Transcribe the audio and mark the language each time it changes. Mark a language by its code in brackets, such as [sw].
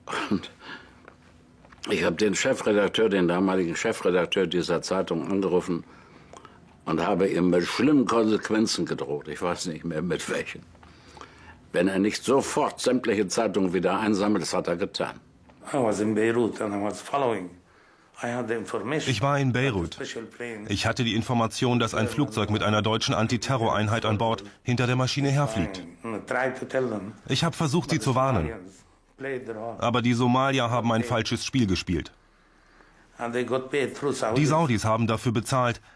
[de] Und ich habe den damaligen Chefredakteur dieser Zeitung angerufen und habe ihm mit schlimmen Konsequenzen gedroht, ich weiß nicht mehr mit welchen, wenn er nicht sofort sämtliche Zeitungen wieder einsammelt. Das hat er getan. [en] I was in Beirut and I was following. [de] Ich war in Beirut. Ich hatte die Information, dass ein Flugzeug mit einer deutschen Antiterroreinheit an Bord hinter der Maschine herfliegt. Ich habe versucht, sie zu warnen. Aber die Somalier haben ein falsches Spiel gespielt. Die Saudis haben dafür bezahlt,